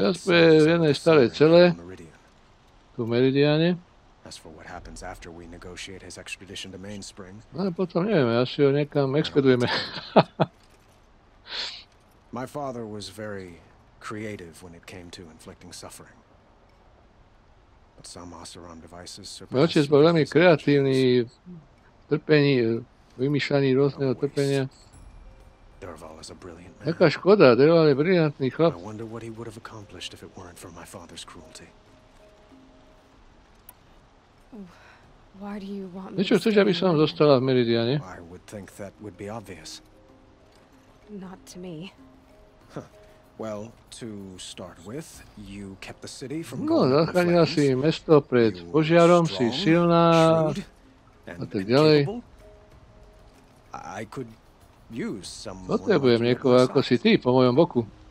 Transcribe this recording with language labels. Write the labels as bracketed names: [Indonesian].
[Slovak] cells. Teraz bude v jednej starej cele. tu Meridiane. [English] As for what happens after we negotiate his extradition to Mainspring. [Slovak] No, potom neviem, asi ho niekam expedujeme. [English] My father was very creative when it came to inflicting suffering. But some Oseram devices surpassed... [Slovak] Otec bol veľmi kreatívny v trpení, vymýšľaní rôzneho trpenia. [English] Derval is a brilliant man. [Slovak] Jaká škoda, Derval je brilliantný chlap. [English] I wonder what he would have accomplished if it weren't for my father's cruelty. Why do you want me? [Slovak] Niečo chceš, aby som zostala v Meridiane? [English] I would think that would be obvious. Not to me. Well, to start with, you kept the city from going. [Slovak] No, zachránila si mesto pred požiarom, si silná a tak ďalej. [English] I could use some. [Slovak] Potrebujem niekoho ako si ty po mojom boku.